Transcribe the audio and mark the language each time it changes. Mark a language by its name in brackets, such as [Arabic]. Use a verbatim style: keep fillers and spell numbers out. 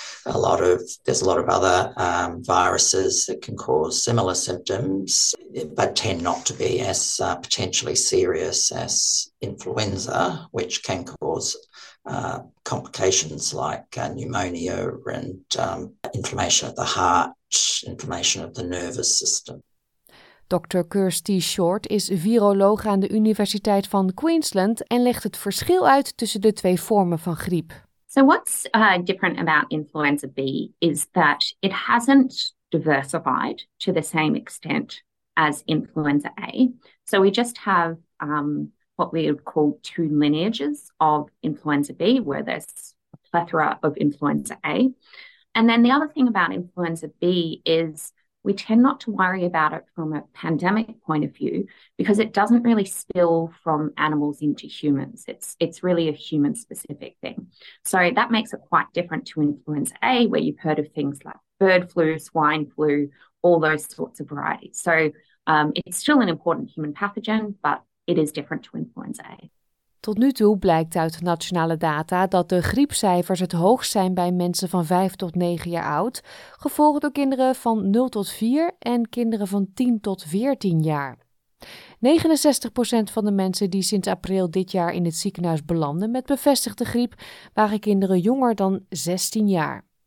[English] A lot of there's a lot of other um, viruses that can cause similar symptoms, but tend not to be as uh, potentially serious as influenza, which can cause uh, complications like uh, pneumonia and um, inflammation of the heart, inflammation of the nervous system. [Dutch] Doctor Kirsty Short is viroloog aan de Universiteit van Queensland en legt het verschil uit tussen de twee vormen van griep. [English] So what's uh, different about influenza B is that it hasn't diversified to the same extent as influenza A. So we just have um, what we would call two lineages of influenza B, where there's a plethora of influenza A. And then the other thing about influenza B is we tend not to worry about it from a pandemic point of view because it doesn't really spill from animals into humans. It's it's really a human-specific thing. So that makes it quite different to influenza A, where you've heard of things like bird flu, swine flu, all those sorts of varieties. So um, it's still an important human pathogen, but it is different to influenza A. [Dutch] Tot nu toe blijkt uit nationale data dat de griepcijfers het hoogst zijn bij mensen van vijf tot negen jaar oud, gevolgd door kinderen van nul tot vier en kinderen van tien tot veertien jaar. negenenzestig procent van de mensen die sinds april dit jaar in het ziekenhuis belanden met bevestigde griep waren kinderen jonger dan zestien jaar.